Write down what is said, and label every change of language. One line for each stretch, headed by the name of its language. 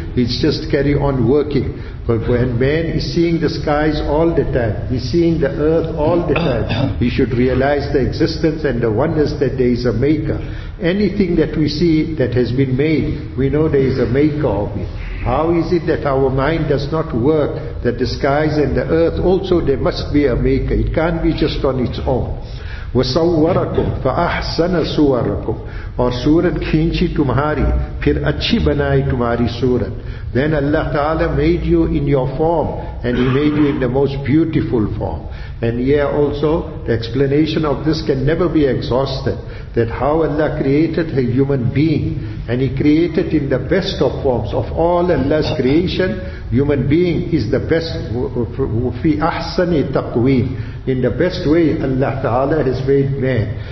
English: It's just carry on working. But when man is seeing the skies all the time, he's seeing the earth all the time, he should realize the existence and the oneness that there is a maker. Anything that we see that has been made, we know there is a maker of it. How is it that our mind does not work, that the skies and the earth also, there must be a maker. It can't be just on its own.
Arabic: وَصَوَّرَكُمْ فَأَحْسَنَ صُوَرَكُمْ
Urdu: اور صورت کھینچی تمہاری پھر اچھی بنائی تمہاری صورت.
English: Then Allah Ta'ala made you in your form, and He made you in the most beautiful form. And here also, the explanation of this can never be exhausted, that how Allah created a human being, and He created in the best of forms. Of all Allah's creation, human being is the best,
Arabic: fi ahsani taqweem,
English: in the best way Allah Ta'ala has made man.